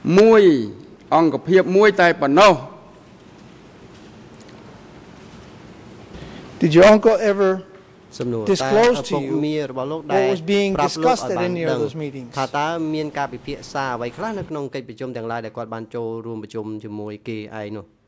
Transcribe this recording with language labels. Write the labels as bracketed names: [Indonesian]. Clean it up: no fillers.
[Khmer] មិនមែនយ៉ាងដូចនេះទេពាក្យថាអង្គប្រជុំនេះគឺអង្គប្រជុំត្រឹមតែថ្នាក់ខ្ញុំដែលជាទទួលខុសត្រូវខាងផ្នែកក្រុមមួយអង្គភាពមួយតែប៉ុណ្ណោះ [English] Did your uncle ever disclose to you what was being discussed at any of those meetings? [Khmer] ថាតើមានការពិភាក្សាអ្វីខ្លះនៅក្នុងកិច្ចប្រជុំទាំងឡាយដែលគាត់បានចូលរួមប្រជុំជាមួយគេឯនោះ